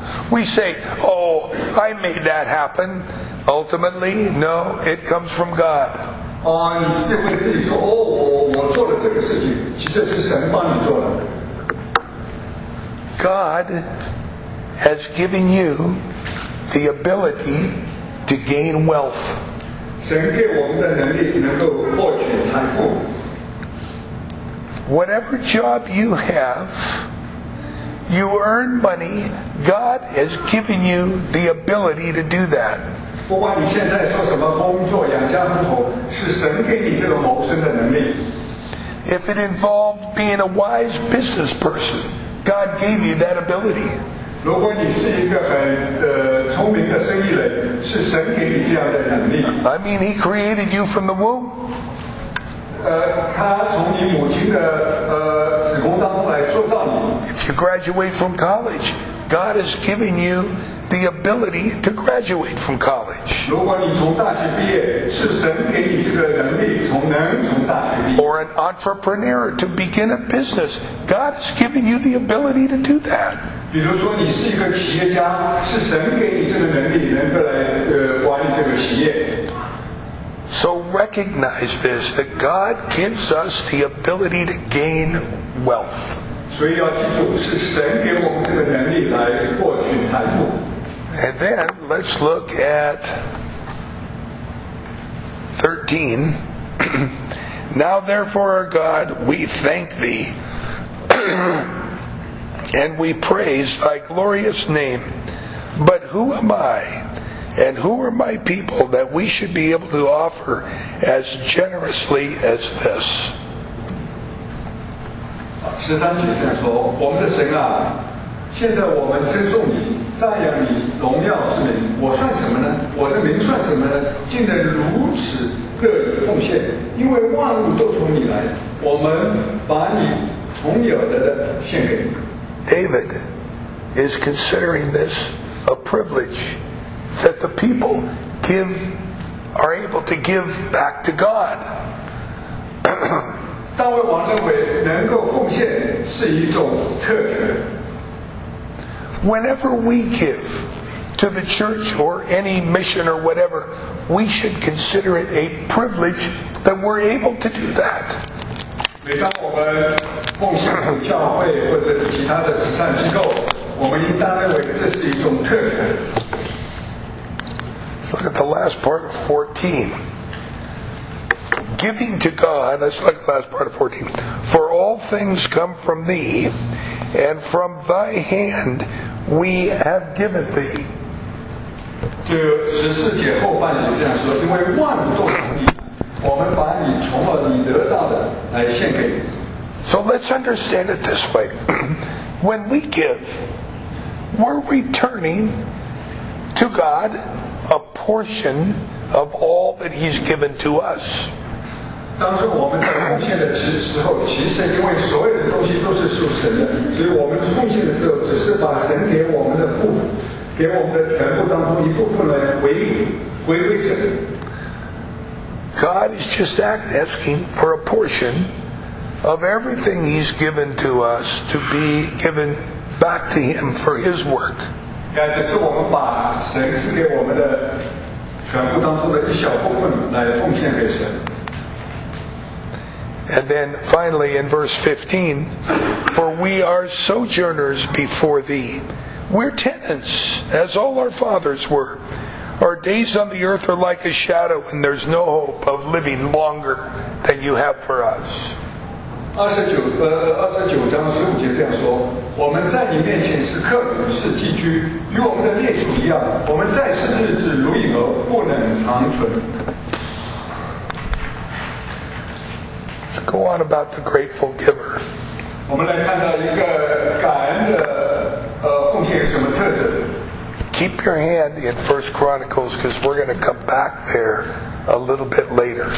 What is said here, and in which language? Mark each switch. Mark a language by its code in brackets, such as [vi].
[en] We say, oh, I made that happen. Ultimately, no, it comes from God. God has given you the ability to gain wealth. [zh] 神给我们的能力能够获取财富。 [en] Whatever job you have, you earn money. God has given you the ability to do that. [zh] 不管你现在做什么工作，养家糊口，是神给你这个谋生的能力。 [en] If it involved being a wise business person, God gave you that ability. [zh] 如果你是一个很聪明的生意人，是神给你这样的能力。 [en] I mean, he created you from the womb. [zh] 他从你母亲的子宫当中来塑造你。 [en] If you graduate from college, God has given you the ability to graduate from college. [zh] 如果你从大学毕业，是神给你这个能力，从大学毕业。 [en] Or an entrepreneur to begin a business, God has given you the ability to do that. [zh] 比如说你是一个企业家，是神给你这个能力，能够来管理这个企业。 [en] So recognize this, that God gives us the ability to gain wealth. [zh] 所以要记住，是神给我们这个能力来获取财富。 [en] And then let's look at 13. Now therefore, our God, we thank thee. And we praise thy glorious name. But who am I, and who are my people, that we should be able to offer as generously as this? [zh] 十三节这样说，我们的神啊，现在我们尊重你，赞扬你荣耀之名。我算什么呢？我的名算什么呢？竟能如此乐于奉献，因为万物都从你来，我们把你从有的献给你。 [en] David is considering this a privilege that the people give, are able to give back to God. [zh] 大卫王认为能够奉献是一种特权。 [en] Whenever we give to the church or any mission or whatever, we should consider it a privilege that we're able to do that. [zh] 每当我们奉献给教会或者其他的慈善机构，我们应当认为这是一种特权。 [en] Look at the last part of 14. Giving to God, that's like the last part of 14. For all things come from thee, and from thy hand we have given thee. [zh] 就十四节后半节这样说，因为万物都从你。我们把你从了你得到的来献给你。 [en] So let's understand it this way. When we give, we're returning to God a portion of all that He's given to us. [zh] 当时我们在奉献的时候，其实因为所有的东西都是属神的，所以我们奉献的时候只是把神给我们的部分，给我们的全部当中一部分来回归神。 [en] God is just asking for a portion of everything He's given to us to be given back to Him for His work. [zh] Yeah, 只是我们把神赐给我们的全部当中的一小部分来奉献给神。 [en] And then finally in verse 15, for we are sojourners before thee. We're tenants, as all our fathers were. Our days on the earth are like a shadow, and there's no hope of living longer than you have for us. [zh] 29章15节这样说，我们在你面前是客旅，是寄居，与我们的列祖一样。我们在世的日子如影儿，不能长存。 [en] Let's go on about the grateful giver. [zh] 我们来看到一个感恩的奉献有什么特质。 [en] Keep your hand in 1 Chronicles because we're going to come back there a little bit later.